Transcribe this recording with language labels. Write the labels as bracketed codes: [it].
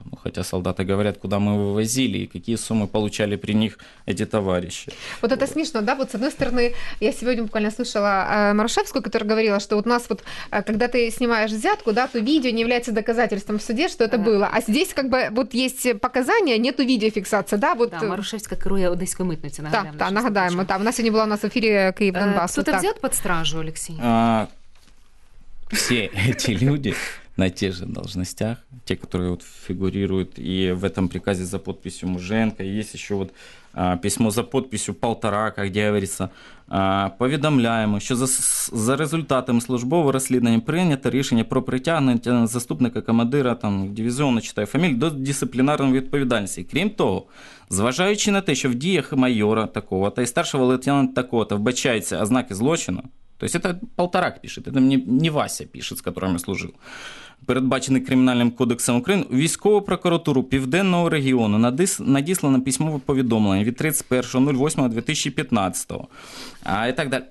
[ru] Ну, хотя солдаты говорят, куда мы вывозили и какие суммы получали при них эти товарищи. Вот это смешно, да, вот с одной стороны, я сегодня буквально слышала Марушевскую, которая говорила, что вот нас вот, когда ты снимаешь взятку, да, то видео не является доказательством в суде, что это было. А здесь как бы вот есть показания, нету видеофиксации, да, вот... [uk] Да, Марушевская керує Одеської митниці, нагадаємо. Так, нагадаємо, так, у нас сьогодні була у нас в ефірі Київ-Донбас. [ru] Кто-то взят [uk] під стражу, [ru] Олексій? [uk] Всі ці люди... [ru] на тех же должностях, те, которые вот фигурируют и в этом приказе за подписью Муженко, есть еще вот письмо за подписью Полторака, где говорится, [uk] повідомляем, [ru] что за результатами службового расследования принято решение [uk] про притягнення заступника командира [ru] там, дивизиона, читаю фамилию, [uk] до дисциплинарного відповідальності. Крім того, зважаючи на те, що в діях майора такого-то [ru] и старшего лейтенанта такого-то [uk] вбачаються ознаки злочину, [ru] то есть это Полторак пишет, это мне не Вася пишет, с которым я служил, [uk] передбачений Кримінальним кодексом України, військову прокуратуру Південного регіону надіслано письмове повідомлення від 31.08.2015. І так далі.